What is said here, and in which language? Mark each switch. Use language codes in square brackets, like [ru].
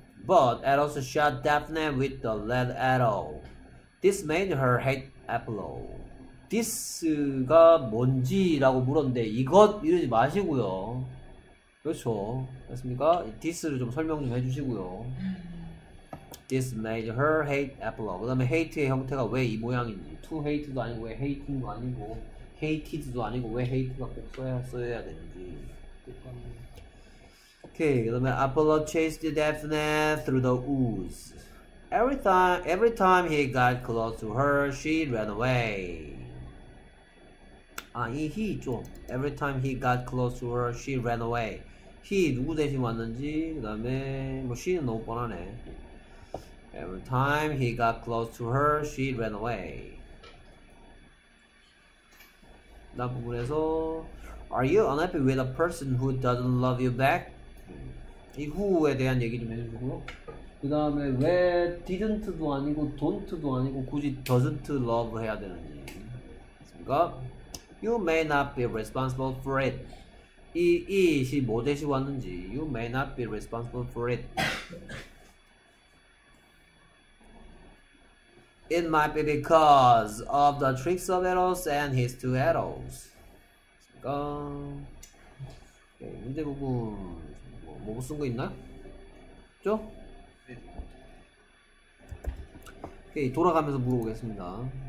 [en] But Eros shot Daphne with a lead arrow. This made her hate Apollo. [ko] This가 뭔지라고 물었는데 이것 이러지 마시고요. 그렇죠. 됐습니까? This를 좀 설명 좀 해주시고요. [en] This made her hate Apollo. [ko] 그 다음에 hate의 형태가 왜 이 모양인지. To hate도 아니고 왜 hating도 아니고 hated도 아니고 왜 hate가 꼭 써야 되는지. 오케이. 그 다음에 [en] Apollo chased Daphne through the woods. Every time he got close to her, she ran away. [ko] 아, 이 he 있죠. [en] Every time he got close to her, she ran away. [ko] He 누구 대신 왔는지. 그 다음에 뭐 she는 너무 뻔하네. [en] Every time he got close to her, she ran away. [ko] 나 부분에서 [en] Are you unhappy with a person who doesn't love you back? [ko] 이 who에 대한 얘기 좀 해주시고요. 그 다음에 왜 didn't도 아니고 don't도 아니고 굳이 doesn't love 해야 되는지. 그러니까 [en] You may not be responsible for it. [ko] 이 it이 뭐 대신 왔는지 [en] You may not be responsible for it. It might be because of the tricks of Eros and his two arrows. [ko] 그러니까 오케이, 문제 부분 뭐 못 쓴 거 있나? 그죠? 오케이, 돌아가면서 물어보겠습니다.